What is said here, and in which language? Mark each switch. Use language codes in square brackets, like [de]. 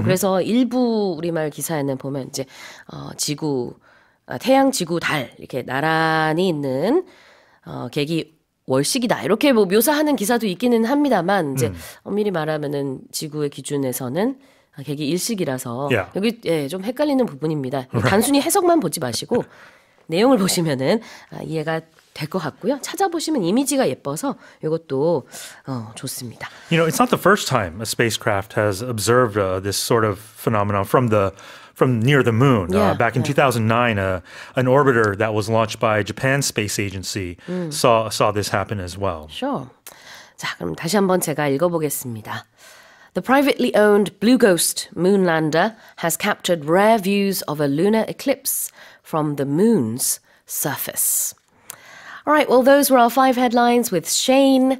[ko] 그래서 일부 우리말 기사에는 보면 이제 지구 태양 지구 달 이렇게 나란히 있는 계기 월식이다 이렇게 뭐 묘사하는 기사도 있기는 합니다만 이제 엄밀히 말하면은 지구의 기준에서는 계기 일식이라서 여기 좀 헷갈리는 부분입니다. [en] Right. [ko] 단순히 해석만 보지 마시고 내용을 보시면은 이해가 될 것 같고요. 찾아보시면 이미지가 예뻐서 이것도 좋습니다. [en] You know, it's not the first time a spacecraft has observed this sort of phenomenon from the from near the moon. Yeah, back in 2009, an orbiter that was launched by Japan Space Agency saw this happen as well. Sure. [ko] 자, 그럼 다시 한번 제가 읽어보겠습니다. [en] The privately owned Blue Ghost moon lander has captured rare views of a lunar eclipse from the moon's surface. All right, well, those were our five headlines with Shane.